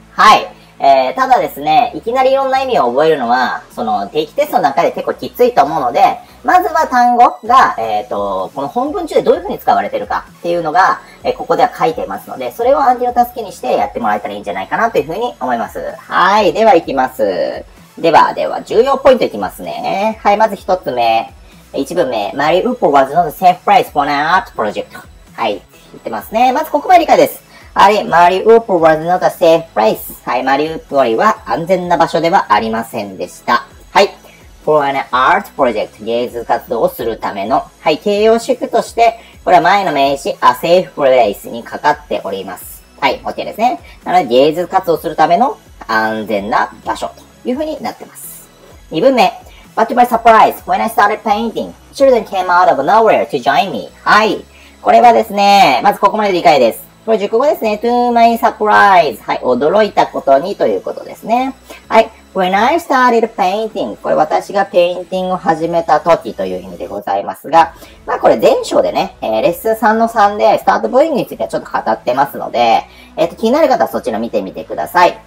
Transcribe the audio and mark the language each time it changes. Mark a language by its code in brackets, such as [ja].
[ja] はい。ただですね、いきなりいろんな意味を覚えるのは、その、定期テストの中で結構きついと思うので、まずは単語が、この本文中でどういう風に使われてるかっていうのが、ここでは書いてますので、それを暗記の助けにしてやってもらえたらいいんじゃないかなという風に思います。はい。では、いきます。では、では、重要ポイントいきますね。はい、まず一つ目。一文目。 [en] マリウポ was not a safe place for an art project. [ja] はい。言ってますね。まずここまで理解です。 [en] あれ、マリウポ was not a safe place. [ja] はい、マリウポリは安全な場所ではありませんでした。 [en] はい。for an art project. [ja] 芸術活動をするための。はい、形容詞として、これは前の名詞、 [en] a safe place [ja] にかかっております。はい、OK ですね。なので、芸術活動をするための安全な場所。いう風になってます。2文目。 [en] But by surprise, when I started painting, children came out of nowhere to join me. はい。 [ja] これはですね、まずここまで理解です。これ熟語ですね。 [en] To my surprise. [ja] はい。驚いたことにということですね。 [en] はい。When I started painting. [ja] これ私がペインティングを始めた時という意味でございますが、まあこれ前章でね、レッスン3の3でスタート部位についてはちょっと語ってますので、気になる方はそちら見てみてください。